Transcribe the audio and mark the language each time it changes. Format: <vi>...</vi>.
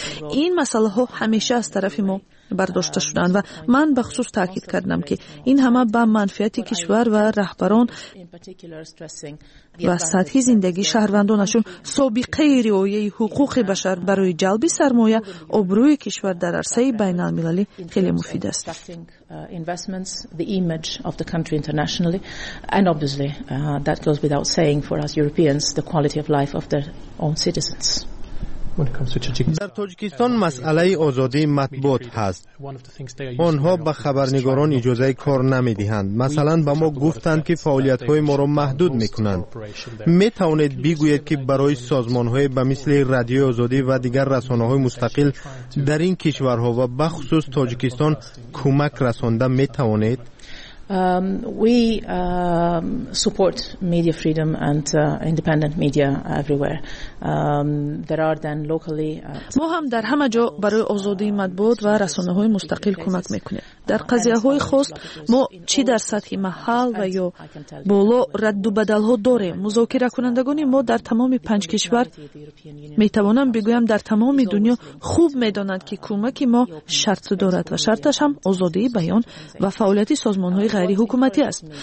<fa>این مسئله ها همیشه از طرف ما برداشته شدند و من بخصوص تاکید کردم که این همه به منفعت کشور و رهبران و سطح زندگی شهروندانشون سابقه رعایه حقوق بشر برای جلب سرمایه آبروی کشور در عرصه بین المللی خیلی مفید است.</fa> <en>Investments, the image of the country internationally, and obviously that goes without saying for us Europeans, the quality of life of their own citizens.</en> <fa>در تاجیکستان مسئله آزادی مطبوعات هست. آنها به خبرنگاران اجازه کار نمی دهند. مثلا به ما گفتند که فعالیت های ما را محدود می کنند. می توانید بگویید که برای سازمان های به مثل رادیو آزادی و دیگر رسانه های مستقل در این کشورها و به خصوص تاجیکستان کمک رسانده می توانید؟</fa> <en>We support media freedom and independent media everywhere. There are then locally.</en> <fa>ما هم در همه جا برای آزادی مطبوعات و رسانه‌های مستقل کمک می‌کنیم. در قضیه‌های خاص ما چی در سطح محل و یا بالا رد و بدل‌ها داریم. مذاکره کنندگان ما در تمام 5 کشور می‌توانم بگویم در تمام دنیا خوب می‌دانند که کمک ما شرط دارد و شرطش هم آزادی بیان و فعالیت سازمان‌های غیر حکومتی است.</fa>